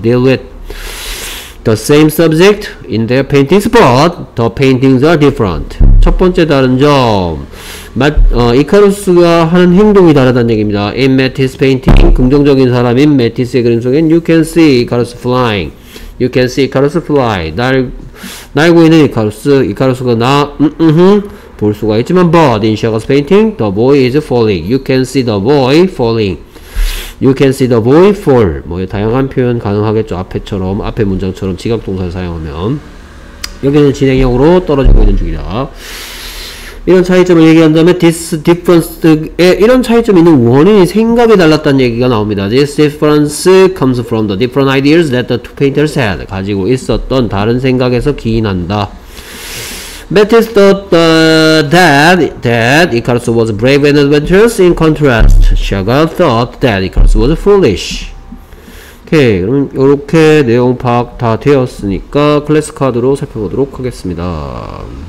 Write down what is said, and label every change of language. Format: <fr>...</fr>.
<en>deal with the same subject in their paintings but the paintings are different.</en> <ko>첫 번째 다른 점 이카루스가 하는 행동이 다르다는 얘기입니다.</ko> <en>in Matisse painting</en> <ko>긍정적인 사람인 Matisse의 그림 속엔</ko> <en>you can see Icarus flying. You can see Icarus fly.</en> <ko>날고 있는 이카루스. 이카루스가 볼 수가 있지만</ko> <en>but in Chagall's painting the boy is falling. You can see the boy falling. You can see the boy fall.</en> <ko>뭐 다양한 표현 가능하겠죠. 앞에처럼 앞에 문장처럼 지각동사를 사용하면 여기는 진행형으로 떨어지고 있는 중이다. 이런 차이점을 얘기한 다음에</ko> <en>this difference</en> <ko>에 이런 차이점이 있는 원인이 생각이 달랐다는 얘기가 나옵니다.</ko> <en>This difference comes from the different ideas that the two painters had.</en> <ko>가지고 있었던 다른 생각에서 기인한다.</ko> <en>Matisse thought that Icarus was brave and adventurous. In contrast, Chagall thought that Icarus was foolish.</en> <ko>오케이. 그럼 이렇게 내용 파악 다 되었으니까 클래스 카드로 살펴보도록 하겠습니다.</ko>